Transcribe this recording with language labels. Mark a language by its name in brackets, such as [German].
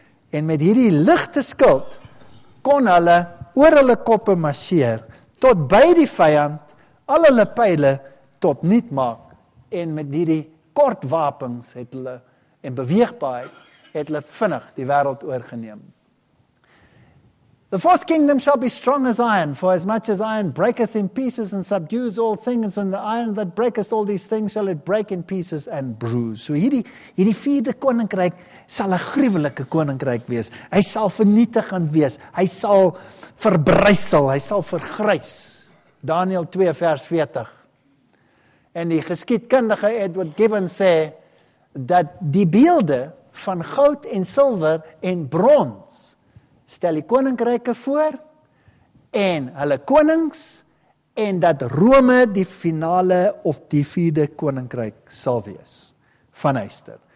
[Afrikaans] En met hierdie ligte skild kon hulle oor hulle koppe marcheer tot by die vyand al hulle pijle tot niet maak. En met hierdie kort wapens het hulle, en beweegbaarheid, het hulle vinnig die wêreld oorgeneem. [English] The fourth kingdom shall be strong as iron, for as much as iron breaketh in pieces and subdues all things, and the iron that breaketh all these things shall it break in pieces and bruise. [Afrikaans] So hierdie vierde koninkryk sal 'n gruwelike koninkryk wees. Hy sal vernietigend wees. Hy sal verbrysel. Hy sal vergrys. Daniel 2 vers 40. En die geskiedkundige Edward Gibbon sê dat die beelde van goud en silwer en brons stel die koninkryke voor en hulle konings en dat Rome die finale of die vierde koninkryk sal wees van Huister.